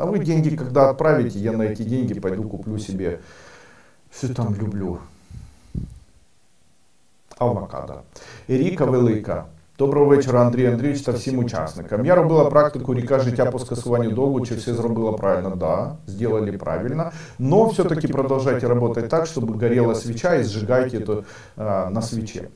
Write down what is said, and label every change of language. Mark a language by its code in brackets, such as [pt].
[ru] А вы деньги когда отправите, я на эти деньги пойду куплю себе все там люблю. Авокадо. Ірика Велика. [uk] Доброго вечора, Андрій Андрійович, та всім учасникам. Я робила практику «Ріка життя по скасуванню долгу». Чи все зробила правильно? [ru] Да, сделали правильно. Но все-таки продолжайте работать так, чтобы горела свеча и сжигайте это на свече.